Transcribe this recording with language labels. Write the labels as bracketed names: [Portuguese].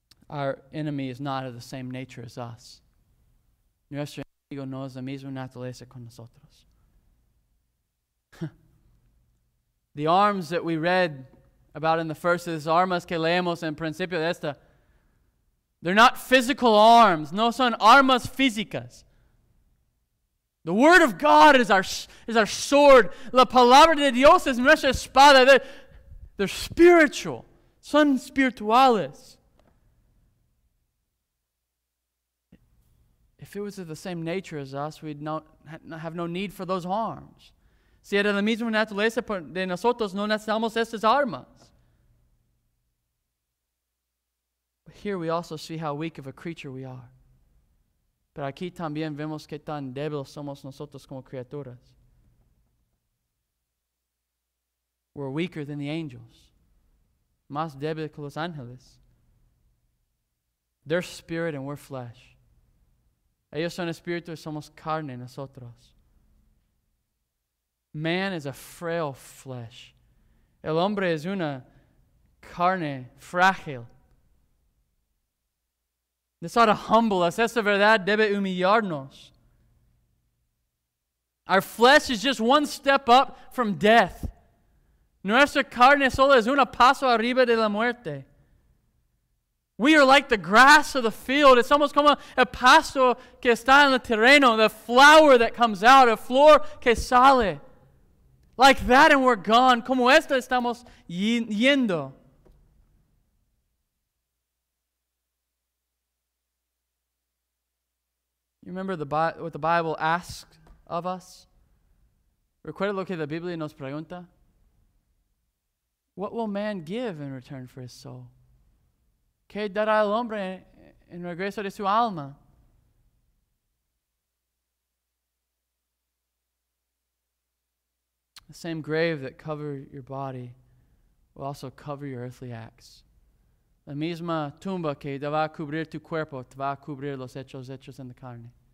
[English] Our enemy is not of the same nature as us. [Spanish] Nuestro enemigo no es la misma naturaleza con nosotros. [English] The arms that we read about in the first of this, [Spanish] armas que leemos en principio de esta, [English] they're not physical arms. [Spanish] No son armas físicas. [English] The Word of God is our sword. [Spanish] La palabra de Dios es nuestra espada. [English] They're spiritual. [Spanish] Son espirituales. [English] If it was of the same nature as us, we'd not have no need for those arms. [Spanish] Si era la misma naturaleza de nosotros, no necesitamos estas armas. [English] But here we also see how weak of a creature we are. [Spanish] Pero aquí también vemos qué tan débiles somos nosotros como criaturas. [English] We're weaker than the angels. [Spanish] Más débiles que los ángeles. [English] They're spirit and we're flesh. [Spanish] Ellos son espíritu y somos carne nosotros. [English] Man is a frail flesh. [Spanish] El hombre es una carne frágil. [English] This ought to humble us. [Spanish] Esta verdad debe humillarnos. [English] Our flesh is just one step up from death. [Spanish] Nuestra carne solo es una paso arriba de la muerte. [English] We are like the grass of the field. It's almost [Spanish] como el pasto que está en el terreno, [English] the flower that comes out, [Spanish] a flor que sale. [English] Like that and we're gone. [Spanish] Como esto estamos yendo. [English] You remember what the Bible asks of us? [Spanish] Recuerda lo que la Biblia nos pregunta? [English] What will man give in return for his soul? [Spanish] ¿Qué dará el hombre en regreso de su alma? [English] The same grave that covered your body will also cover your earthly acts. [Spanish] La misma tumba que te va a cubrir tu cuerpo te va a cubrir los hechos en la carne.